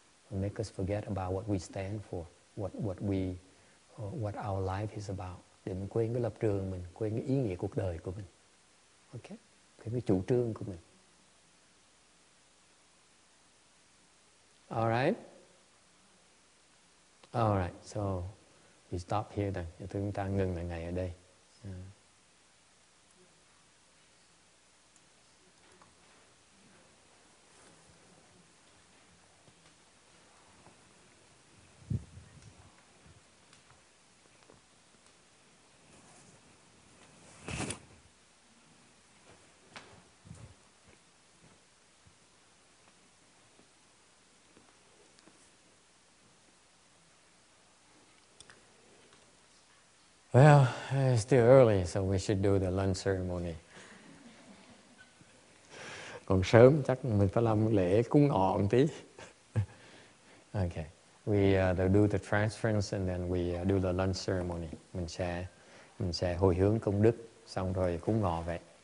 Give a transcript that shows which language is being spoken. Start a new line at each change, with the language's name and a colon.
English: It'll make us forget about what we stand for, what our life is about.
Vietnamese: Đừng quên cái lập trường mình, quên cái ý nghĩa cuộc đời của mình. Okay? Cái chủ trương của mình.
English: All right. So we stop here then.
Vietnamese: Chúng ta ngừng lại ngày ở đây.
English: Well, it's still early, so we should do the lunch ceremony.
Vietnamese: Còn sớm, chắc mình phải làm lễ cúng ngọn tí.
English: Okay, we do the transference and then we do the lunch ceremony.
Vietnamese: Mình sẽ hồi hướng công đức, xong rồi cúng ngọ vậy.